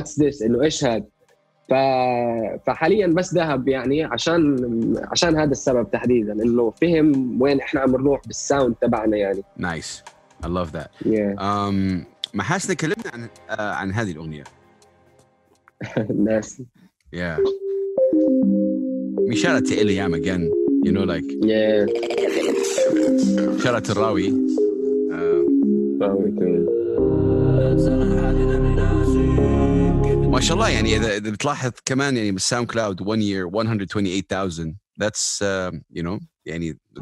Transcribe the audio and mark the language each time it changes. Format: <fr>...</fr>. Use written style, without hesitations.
<en>what's this</en> <ar>إنه إيش هاد. فحاليا بس ذهب يعني عشان هذا السبب تحديدا إنه فهم وين إحنا عم نروح بالساوند تبعنا يعني.</ar> <en>nice I love that yeah.</en> <ar>محاسنة كلمنا عن هذه الأغنية. ناس</ar> <en>yeah مشارة إلي يام again you know like yeah</en> <ar>مشارة الراوي ما شاء الله يعني إذا بتلاحظ كمان يعني بالساوند كلاود</ar> <en>1 year 128,000 that's you know</en> <ar>يعني</ar>